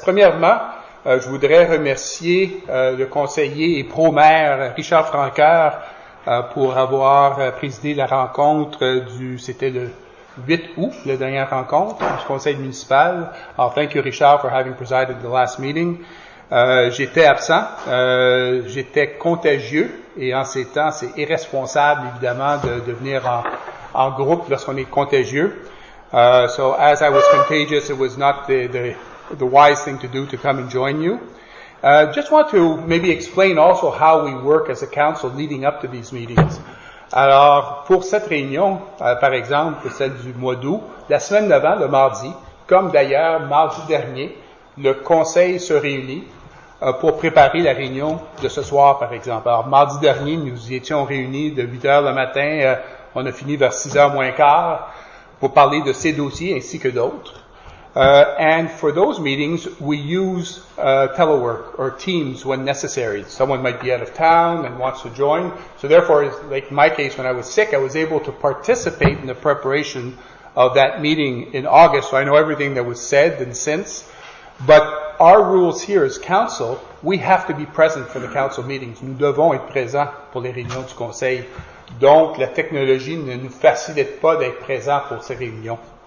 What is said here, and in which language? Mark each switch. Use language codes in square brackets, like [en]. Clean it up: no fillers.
[fr] Premièrement, je voudrais remercier le conseiller et pro-maire Richard Francoeur pour avoir présidé la rencontre c'était le 8 août, la dernière rencontre du conseil municipal. [en] Alors, thank you, Richard, for having presided the last meeting. [fr] J'étais absent, j'étais contagieux, et en ces temps, c'est irresponsable, évidemment, de venir en groupe lorsqu'on est contagieux. [en] So, as I was contagious, it was not the wise thing to do to come and join you. Just want to maybe explain also how we work as a council leading up to these meetings. [fr] Alors, pour cette réunion, par exemple, celle du mois d'août, la semaine d'avant, le mardi, comme d'ailleurs mardi dernier, le conseil se réunit pour préparer la réunion de ce soir, par exemple. Alors, mardi dernier, nous y étions réunis de 8 heures le matin, on a fini vers 6 heures moins quart pour parler de ces dossiers ainsi que d'autres. [en] And for those meetings, we use telework or Teams when necessary. Someone might be out of town and wants to join. So therefore, like my case, when I was sick, I was able to participate in the preparation of that meeting in August. So I know everything that was said and since. But our rules here as council, we have to be present for the council meetings. [fr] Nous devons être présents pour les réunions du conseil. Donc, la technologie ne nous facilite pas d'être présents pour ces réunions.